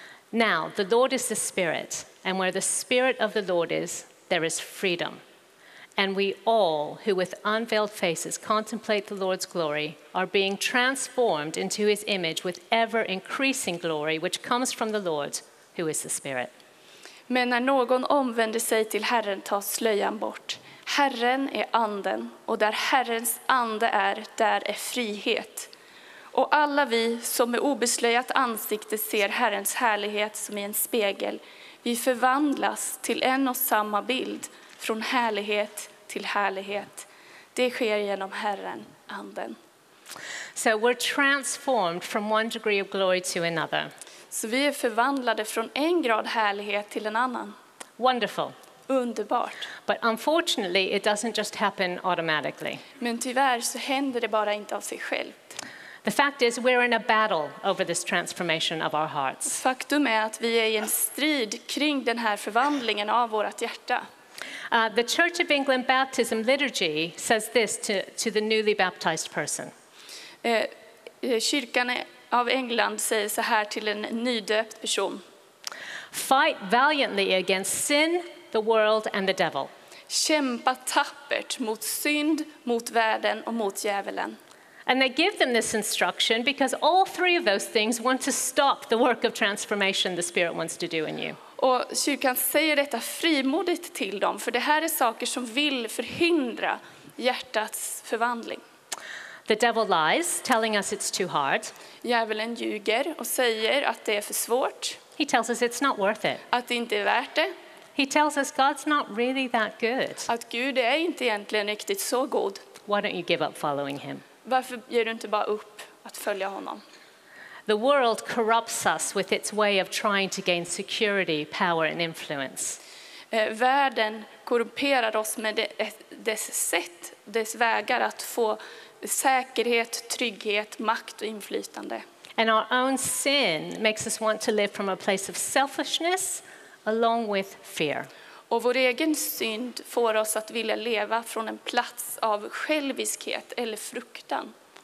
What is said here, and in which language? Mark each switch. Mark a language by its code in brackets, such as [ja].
[en] Now, the Lord is the Spirit, and where the Spirit of the Lord is, there is freedom. And we all, who with unveiled faces contemplate the Lord's glory, are being transformed into his image with ever-increasing glory, which comes from the Lord, who is the Spirit. [sv] Men när någon omvänder sig till Herren tas slöjan bort. Herren är anden, och där Herrens ande är, där är frihet. Och alla vi som med obeslöjat ansikte ser Herrens härlighet som i en spegel, vi förvandlas till en och samma bild, från härlighet till härlighet. Det sker genom Herren, anden. [en] So we're transformed from one degree of glory to another. [sv] Så vi är förvandlade från en grad härlighet till en annan. [en] Wonderful. [sv] Underbart. [en] But unfortunately it doesn't just happen automatically. [sv] Men tyvärr så händer det bara inte av sig självt. [en] The fact is we're in a battle over this transformation of our hearts. [sv] Faktum är att vi är i en strid kring den här förvandlingen av vårt hjärta. [en] The Church of England baptism liturgy says this to the newly baptized person. [sv] Kyrkan av England säger så här till en nydöpt person. [en] Fight valiantly against sin, the world and the devil. [sv] Kämpa tappert mot synd, mot världen och mot djävulen. [en] And they give them this instruction because all three of those things want to stop the work of transformation the Spirit wants to do in you. [sv] Och kyrkan säger detta frimodigt till dem, för det här är saker som vill förhindra hjärtats förvandling. [en] The devil lies, telling us it's too hard. [sv] Djävulen ljuger och säger att det är för svårt. [en] He tells us it's not worth it. [sv] Att det inte är värt det. [en] He tells us God's not really that good. [sv] Att Gud är inte egentligen riktigt så god. [en] Why don't you give up following him? [sv] Varför ger du inte bara upp att följa honom? [en] The world corrupts us with its way of trying to gain security, power and influence. [sv] Världen korrumperar oss med dess sätt, dess vägar att få säkerhet, trygghet, makt och inflytande. [en] And our own sin makes us want to live from a place of selfishness along with fear. [sv] Och vår egen synd får oss att vilja leva från en plats av själviskhet eller fruktan.